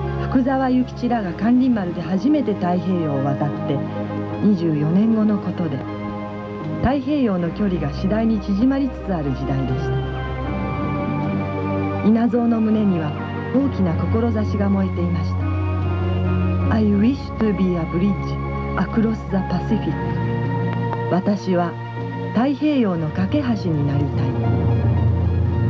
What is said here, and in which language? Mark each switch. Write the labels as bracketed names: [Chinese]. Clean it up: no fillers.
[Japanese] 福沢諭吉らが咸臨丸で初めて太平洋を渡って24年後のことで、太平洋の距離が次第に縮まりつつある時代でした。稲造の胸には大きな志が燃えていました。 [English] I wish to be a bridge across the Pacific. [Japanese] 私は太平洋の架け橋になりたい。